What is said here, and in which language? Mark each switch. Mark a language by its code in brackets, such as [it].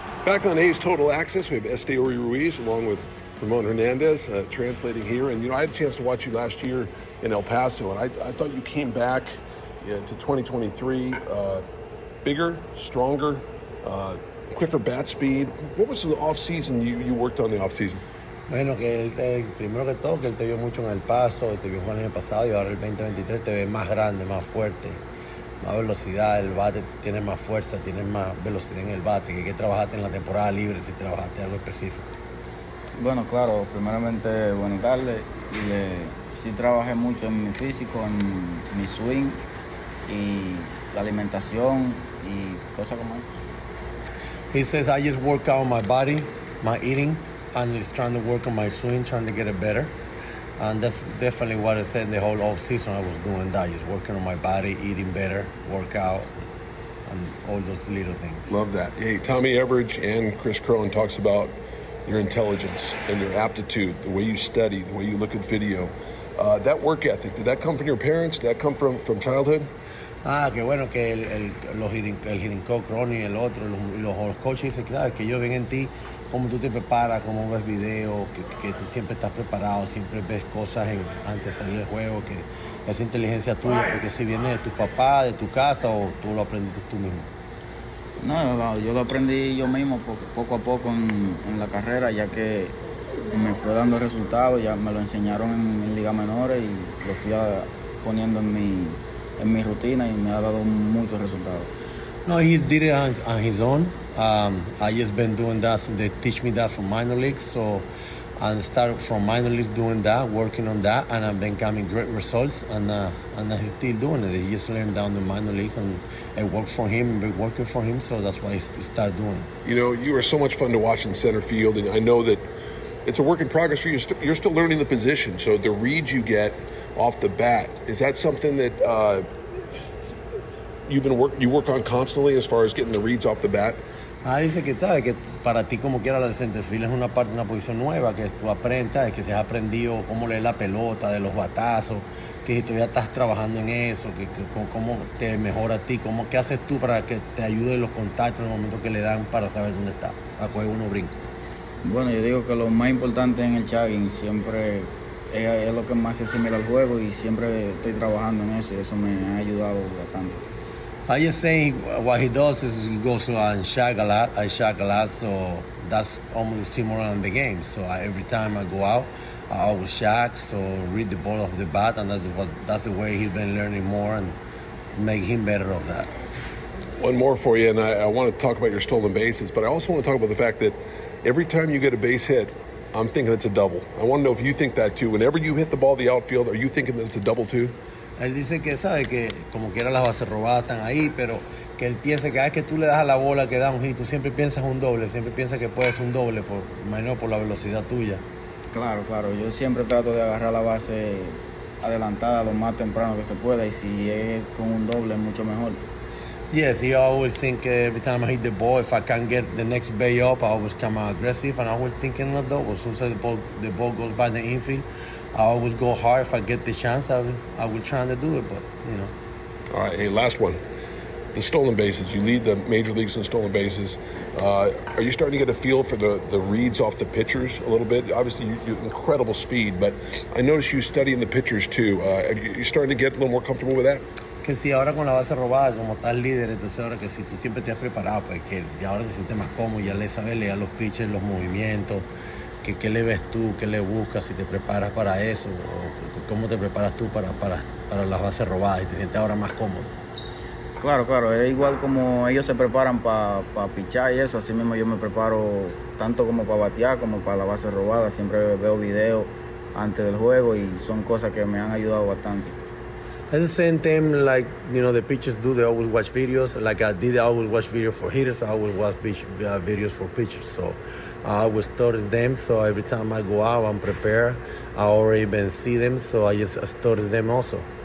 [en] Back on A's Total Access, we have Esteri Ruiz along with Ramon Hernandez translating here. And, you know, I had a chance to watch you last year in El Paso, and I thought you came back to 2023 bigger, stronger, quicker bat speed. What was the offseason you worked on the offseason? [es] Bueno, que él te, primero que todo, que él te vio mucho en El Paso, te vio el año pasado, y ahora el 2023 te ve más grande, más fuerte. Más velocidad, el bate tiene más fuerza, tiene más velocidad en el bate. ¿Qué trabajaste en la temporada libre, si trabajaste algo específico? Bueno, claro, primeramente, bueno, Carles, sí trabajé mucho en mi físico, en mi swing, y la alimentación, y cosas como eso. [en] He says, I just work out on my body, my eating, and he's trying to work on my swing, trying to get it better. And that's definitely what I said the whole off-season. I was doing that, just working on my body, eating better, workout, and all those little things. Love that. Hey, Tommy Everidge and Chris Cron talks about your intelligence and your aptitude, the way you study, the way you look at video. That work ethic, did that come from your parents? Did that come from childhood? [es] Ah, qué bueno que el hitting coach Cron y el otro, los coaches dicen, claro, que yo ven en ti. Cómo tú te preparas, cómo ves videos, que tú siempre estás preparado, siempre ves cosas antes de salir del juego, que esa inteligencia tuya, porque si viene de tu papá, de tu casa, o tú lo aprendiste tú mismo. No, yo lo aprendí yo mismo poco a poco en la carrera, ya que me fue dando resultados, ya me lo enseñaron en Liga Menores y lo fui poniendo en mi rutina y me ha dado muchos resultados. [en] No, he did it on his own. I just been doing that, so they teach me that from minor leagues, so I started from minor leagues doing that, working on that, and I've been coming great results, and he's still doing it. He just learned down the minor leagues, and it worked for him, and been working for him, so that's why he started doing it. You know, you were so much fun to watch in center field, and I know that it's a work in progress for you. You're still learning the position. So the reads you get off the bat, is that something that you work on constantly as far as getting the reads off the bat? [es] Ah, dice que sabe que para ti como quiera la center field es una parte, una posición nueva que tú aprendas, que se ha aprendido cómo leer la pelota, de los batazos, que si todavía estás trabajando en eso, que cómo te mejora a ti, cómo, qué haces tú para que te ayude los contactos en el momento que le dan para saber dónde está, a coger uno brinco. Bueno, yo digo que lo más importante en el chugging siempre es lo que más se asimila al juego y siempre estoy trabajando en eso y eso me ha ayudado bastante. [en] I just saying what he does is he goes and shag a lot. I shag a lot, so that's almost similar in the game. So every time I go out, I always shag, so read the ball off the bat, and that's the way he's been learning more and make him better of that. One more for you, and I want to talk about your stolen bases, but I also want to talk about the fact that every time you get a base hit, I'm thinking it's a double. I want to know if you think that too. Whenever you hit the ball the outfield, are you thinking that it's a double too? [es] Él dice que sabe que como quiera las bases robadas están ahí, pero que él piensa que cada vez que tú le das a la bola que da un hit, tú siempre piensas un doble, siempre piensas que puede ser un doble, por menos por la velocidad tuya. Claro, claro. Yo siempre trato de agarrar la base adelantada lo más temprano que se pueda, y si es con un doble, mucho mejor. [en] Yes, he always think every time I hit the ball, if I can't get the next bay up, I always come out aggressive, and I always think in a double. As soon as the ball goes by the infield, I always go hard. If I get the chance, I will try to do it, but, you know. All right, hey, last one. The stolen bases. You lead the major leagues in stolen bases. Are you starting to get a feel for the reads off the pitchers a little bit? Obviously, you have incredible speed, but I notice you studying the pitchers, too. Are you starting to get a little more comfortable with that? [es] Que si ahora con la base robada, como estás líder, entonces ahora que si tú siempre te has preparado, pues que ahora te sientes más cómodo, ya le sabes leer los pitchers, los movimientos, que qué le ves tú, qué le buscas, si te preparas para eso, o cómo te preparas tú para las bases robadas y te sientes ahora más cómodo. Claro, claro, es igual como ellos se preparan pa pichar y eso, así mismo yo me preparo tanto como para batear como para la base robada, siempre veo videos antes del juego y son cosas que me han ayudado bastante. [en] At the same time, like, you know, the pitchers do, they always watch videos. Like I did, I always watch videos for hitters. I always watch videos for pitchers. So I always study them. So every time I go out, I'm prepared. I already been see them. So I just study them also.